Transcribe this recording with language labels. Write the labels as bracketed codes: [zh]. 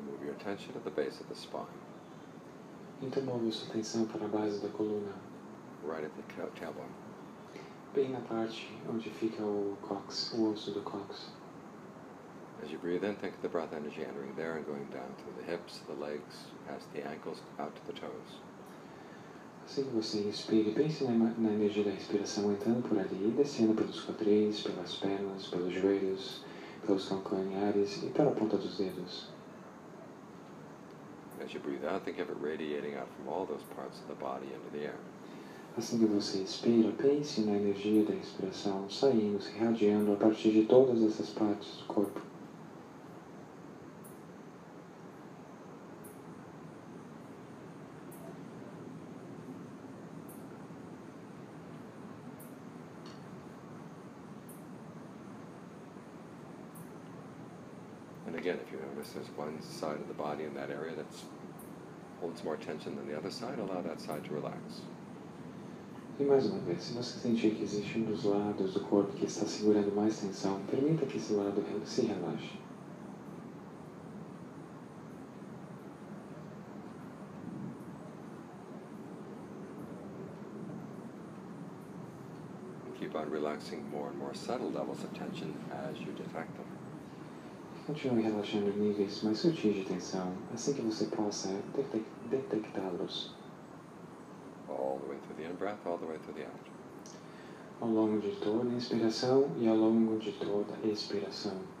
[en] Attention at the base of the spine. [pt] Então move sua atenção para a base da coluna. [en] Right at the tailbone. [pt] Bem na parte onde fica o cox, o osso do cox. [en] As you breathe in, think of the breath energy entering there and going down through the hips, the legs, past the ankles, out to the toes. [pt] Assim que você inspire, pense na energia da respiração entrando por ali e descendo pelos quadris, pelas pernas, pelos joelhos, pelos calcanhares e pela ponta dos dedos. [en] As you breathe out, think of it radiating out from all those parts of the body into the air. [pt] Assim que você inspira, pense na energia da respiração saindo, se irradiando a partir de todas essas partes do corpo. [en] Again, if you notice there's one side of the body in that area that holds more tension than the other side, allow that side to relax. [pt] E mais uma vez, se você sentir que existe um dos lados do corpo que está segurando mais tensão, permita que esse lado se relaxe. [en] And keep on relaxing more and more subtle levels of tension as you detect them. [pt] Continue relaxando níveis mais sutis de tensão, assim que você possa detectá-los. [en] All the way through the in-breath, all the way through the out. [pt] Ao longo de toda a inspiração e ao longo de toda a expiração.